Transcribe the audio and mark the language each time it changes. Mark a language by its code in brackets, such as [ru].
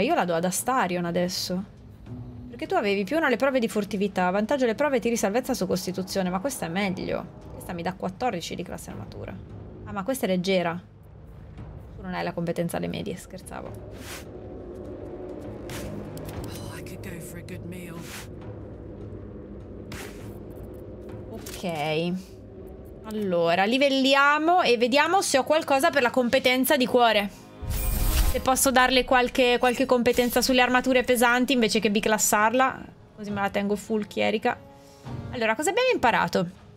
[it] Io la do ad Astarion adesso. Perché tu avevi più una le prove di furtività. Vantaggio le prove, tiri salvezza su costituzione. Ma questa è meglio. Questa mi dà 14 di classe armatura. Ah, ma questa è leggera. Tu non hai la competenza alle medie, scherzavo. [en] Oh, I could go for a good meal. Ok. [it] Allora, livelliamo e vediamo se ho qualcosa per la competenza di cuore. Se posso darle qualche competenza sulle armature pesanti invece che biclassarla. Così me la tengo full chierica. Allora, cosa abbiamo imparato?